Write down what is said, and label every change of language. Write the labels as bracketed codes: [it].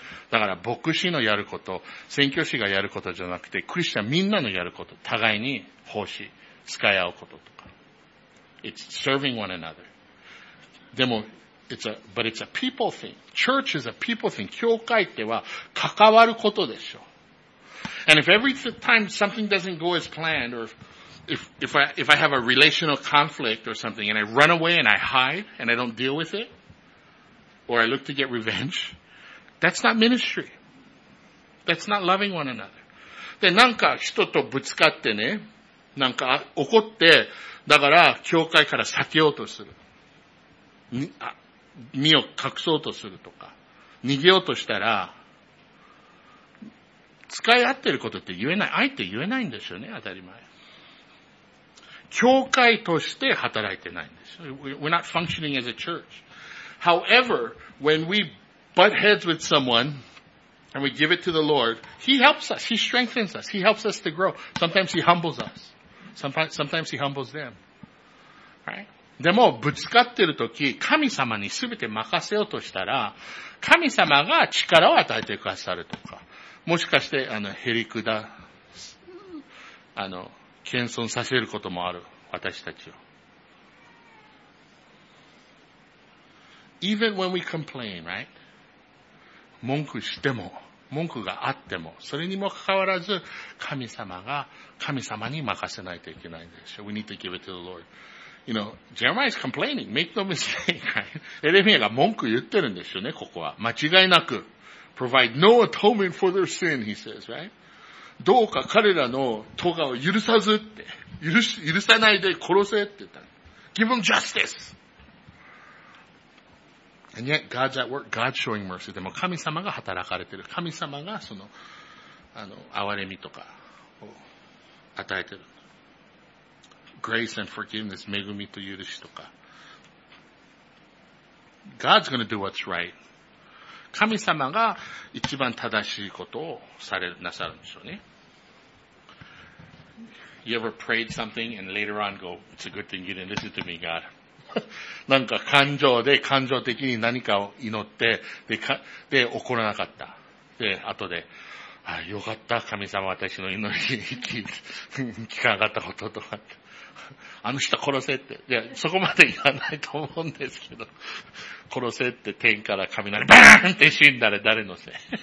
[ja] だから牧師のやること、宣教師がやることじゃなくて、クリスチャンみんなのやること、互いに奉仕、使い合うこととか。 [en] It's serving one another. でも、it's a people thing. Church is a people thing. [ja] 教会っては関わることでしょ。 [en] And if every time something doesn't go as planned, or If I have a relational conflict or something and I run away and I hide and I don't deal with it or I look to get revenge, that's not ministry. That's not loving one another. [ja] で、なんか人とぶつかってね、なんか怒って、だから教会から避けようとする。身を隠そうとするとか、逃げようとしたら、使い合ってることって言えない。愛って言えないんですよね、当たり前。教会として働いてないんです。 [en] We're not functioning as a church. However, when we butt heads with someone and we give it to the Lord, He helps us. He strengthens us. He helps us to grow. Sometimes He humbles us. Sometimes He humbles them. Right? [ja] でも、ぶつかってるとき、神様にすべて任せようとしたら、神様が力を与えてくださるとか、もしかして、へりくだ、謙遜させることもある、私たちを。 [en] Even when we complain, right? [ja] 文句しても、文句があっても、それにもかかわらず、神様に任せないといけないんでしょ。 [en] We need to give it to the Lord. you know, Jeremiah is complaining. Make no mistake, right? [ja] エレミアが文句言ってるんですよね、ここは。間違いなく。 [en] Provide no atonement for their sin, he says, right? [ja] どうか彼らの咎を許さずって。許さないで殺せって言った。 [en] Give them justice! And yet, God's at work, God's showing mercy. [ja] でも神様が働かれてる。神様がその、憐れみとかを与えてる。 [en] Grace and forgiveness, [ja] 恵みと許しとか。 [en] God's gonna do what's right. [ja] 神様が一番正しいことをされる、なさるんでしょうね。 [en] You ever prayed something and later on go, it's a good thing you didn't listen to me, God. [ja] なんか感情で、感情的に何かを祈って、で、起こらなかった。で、後で、あ、よかった、神様私の祈りに聞かなかったこととか。あの人殺せって。いや、そこまで言わないと思うんですけど。殺せって天から雷バーンって死んだら誰のせい。